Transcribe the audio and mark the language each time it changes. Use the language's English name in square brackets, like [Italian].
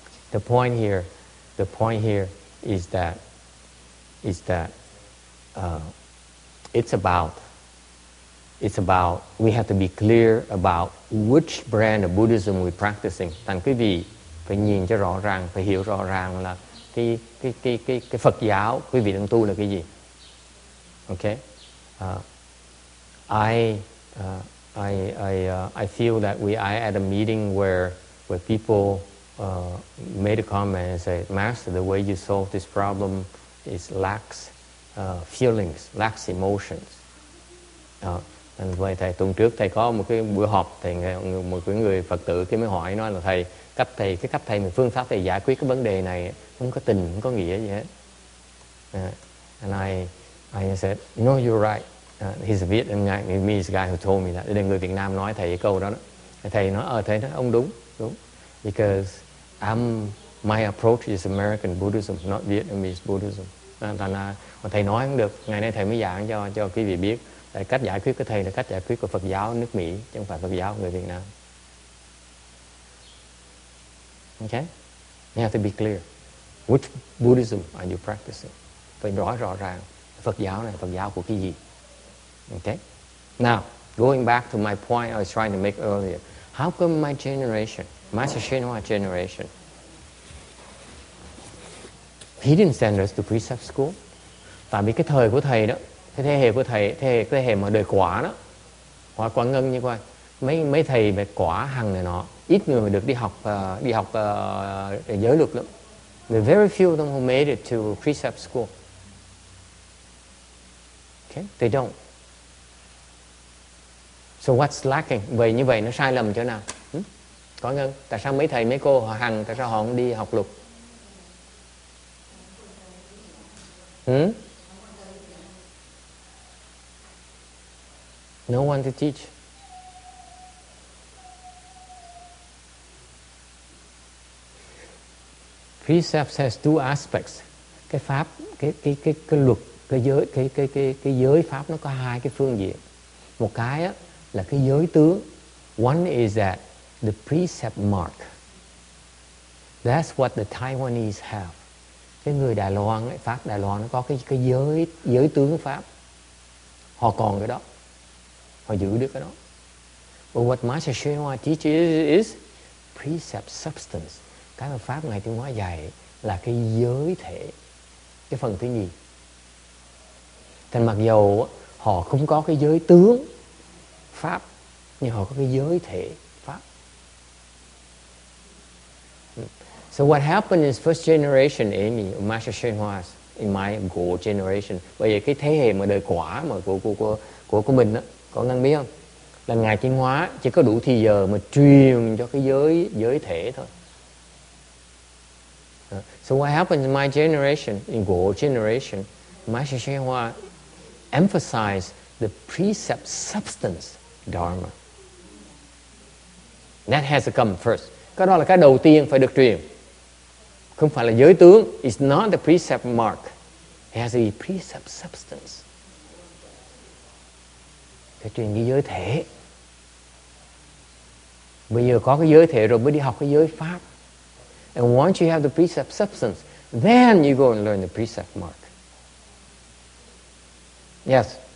[English] The point here is that it's about we have to be clear about which brand of Buddhism we're practicing. [Vietnamese] Thành quý vị phải nhìn cho rõ ràng, phải hiểu rõ ràng là cái Phật giáo quý vị đang tu là cái gì. [English] Okay. I feel that I had a meeting where people made a comment and said, Master, the way you solve this problem is lacks feelings, lacks emotions. [Vietnamese] And vậy thầy tuần trước thầy có một cái buổi họp, thầy một cái người Phật tử cái mới hỏi nói là thầy cách thầy cái cách thầy phương pháp thầy giải quyết cái vấn đề này không có tình, không có nghĩa gì hết. [English] And I said, no, you're right. He's a Vietnamese guy who told me that. [Vietnamese] Đây là người Việt Nam nói thầy cái câu đó. Thầy nói, thầy nói ông đúng. [English] Because my approach is American Buddhism, not Vietnamese Buddhism. [Vietnamese] Thành ra thầy nói không được. Ngày nay thầy mới giảng cho quý vị biết cách giải quyết của thầy là cách giải quyết của Phật giáo nước Mỹ, chứ không phải Phật giáo người Việt Nam. [English] Okay? You have to be clear. Which Buddhism are you practicing? [Vietnamese] Phải nói rõ ràng Phật giáo này là Phật giáo của cái gì? [English] Okay? Now, going back to my point I was trying to make earlier. How come my generation, Master Shenhua generation, he didn't send us to precept school? [Vietnamese] Tại vì cái thời của thầy đó, cái thế hệ của thầy, thế hệ mà đời quả đó, quả quả ngân như vậy, mấy thầy về quả hằng này nọ, ít người được đi học giới luật lắm. [English] There are very few of them who made it to precept school. Okay? They don't. So what's lacking? [Vietnamese] Vậy như vậy nó sai lầm chỗ nào? Có ngân. Tại sao mấy thầy mấy cô họ hằng, tại sao họ không đi học luật? [English] No one to teach. Precepts has two aspects. [Vietnamese] Cái pháp, cái luật, cái giới pháp nó có hai cái phương diện. Một cái á là cái giới tướng. [English] One is that the precept mark. That's what the Taiwanese have. [Vietnamese] cái người Đài Loan ấy, Pháp Đài Loan nó có cái giới tướng Pháp. Họ còn cái đó. Họ giữ được cái đó. [English] But what Master Shenhua teaches is precept substance. [Vietnamese] Cái mà Pháp Ngài Trung Hóa dạy là cái giới thể. Cái phần thứ nhì. Thì mặc dù họ không có cái giới tướng Pháp, nhưng họ có cái giới thể Pháp. [English] So what happened is first generation Amy, Master Shenhua, in my Go generation. [Vietnamese] Bây giờ cái thế hệ mà đời quả mà của mình đó, có ngăn biết không? Là Ngài Chuyên Hóa chỉ có đủ thì giờ mà truyền cho cái giới thể thôi. [English] So what happened in my generation, in Go generation, Master Shenhua emphasized the precept substance Dharma. That has to come first. [Vietnamese] Cái đó là cái đầu tiên phải được truyền. Không phải là giới tướng. [English] It's not the precept mark. It has a precept substance. [Vietnamese] Phải truyền cái giới thể. Bây giờ có cái giới thể rồi mới đi học cái giới pháp. [English] And once you have the precept substance, then you go and learn the precept mark. Yes.